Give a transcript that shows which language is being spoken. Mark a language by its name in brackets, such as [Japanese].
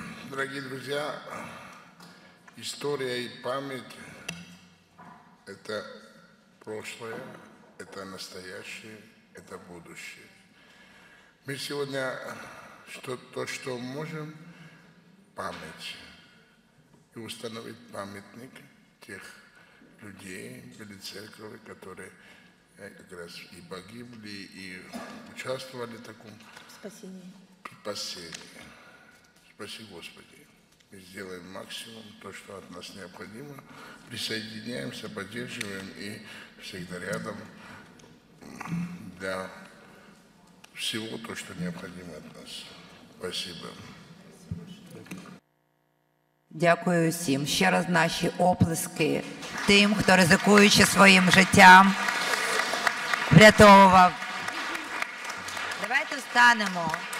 [Ukrainian] Дорогі друзі, історія і пам'ять – це [Russian] прошлое, [Ukrainian] це настояще, це [Russian] будущее. [Ukrainian] Ми сьогодні то, що можемо – пам'ять. [Russian] И установить памятник тех людей, были церкви, которые как раз и погибли, и участвовали в таком спасении. Спаси Господи. Мы сделаем максимум, то, что от нас необходимо. Присоединяемся, поддерживаем и всегда рядом для всего то, что необходимо от нас. Спасибо. [Ukrainian] Дякую усім. Ще раз наші оплески тим, хто, ризикуючи своїм життям, врятовував. Давайте встанемо.